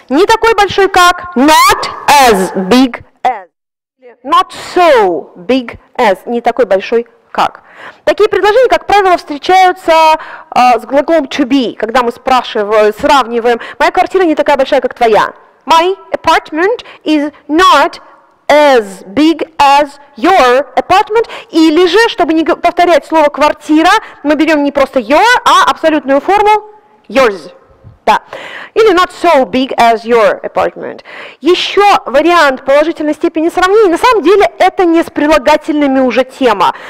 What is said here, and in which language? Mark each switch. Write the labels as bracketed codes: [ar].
[ru] Не такой большой, как [en] not as big as. Not so big as. [ru] Не такой большой, как. Такие предложения, как правило, встречаются с глаголом to be, когда мы сравниваем. Моя квартира не такая большая, как твоя. [en] My apartment is not as big as your apartment. [ru] Или же, чтобы не повторять слово квартира, мы берем не просто your, а абсолютную форму yours. Да. Или [en] not so big as your apartment. [ru] Еще вариант положительной степени сравнения. На самом деле это не с прилагательными уже тема.